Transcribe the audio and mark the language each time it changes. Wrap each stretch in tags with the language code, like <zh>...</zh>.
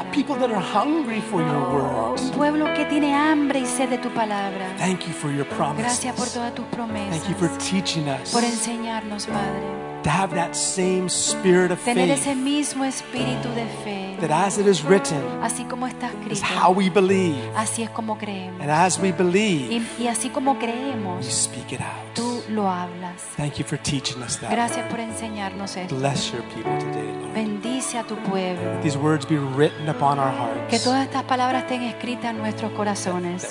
<en>A people that are hungry for your word.</en> <es>Un pueblo que tiene hambre y sed de tu palabra.</es> <en>Thank you for your promises.</en> <es>Gracias por todas tus promesas.</es> <en>Thank you for teaching us.</en> <es>Por enseñarnos, Padre.</es> <en>To have that same spirit of faith.</en> <es>Tener ese mismo espíritu de fe.</es> <en>That as it is written.</en> <es>Así como está escrito.</es> <en>Is how we believe.</en> <es>Así es como creemos.</es> <en>And as we believe.</en> <es>Y así como creemos.</es> <en>You speak it out.</en> <es>Tú lo hablas.</es> <en>Thank you for teaching us that.</en> <es>Gracias por enseñarnos esto.</es> <en>Bless your people today, Lord.</en> <es>Bendice a tu pueblo.</es> <en>Let these words be written upon our hearts.</en> <es>Que todas estas palabras estén escritas en nuestros corazones.</es>